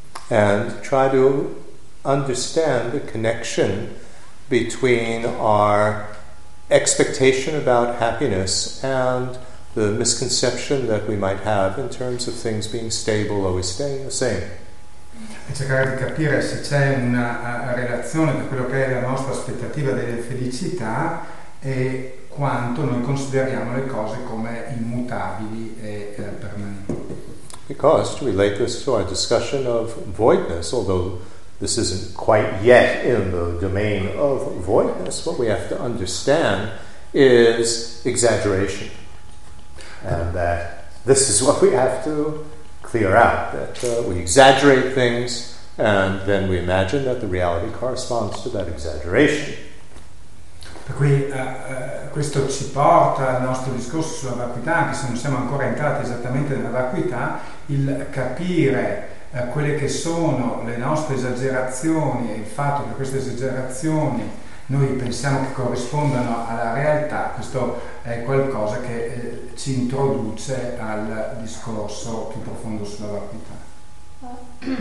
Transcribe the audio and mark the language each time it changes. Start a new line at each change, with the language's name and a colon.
English: And try to understand the connection between our expectation about happiness and the misconception that we might have in terms of things being stable, always staying the same.
Italian: E cercare di capire se c'è una relazione tra quello che è la nostra aspettativa della felicità e quanto noi consideriamo le cose come immutabili e permanenti.
English: Because to relate this to our discussion of voidness, although this isn't quite yet in the domain of voidness, what we have to understand is exaggeration. And that this is what we have to clear out, that we exaggerate things and then we imagine that the reality corresponds to that exaggeration.
Italian: Per cui questo ci porta al nostro discorso sulla vacuità, anche se non siamo ancora entrati esattamente nella vacuità, il capire quelle che sono le nostre esagerazioni e il fatto che queste esagerazioni noi pensiamo che corrispondano alla realtà, questo è qualcosa che ci introduce al discorso più profondo sulla vacuità.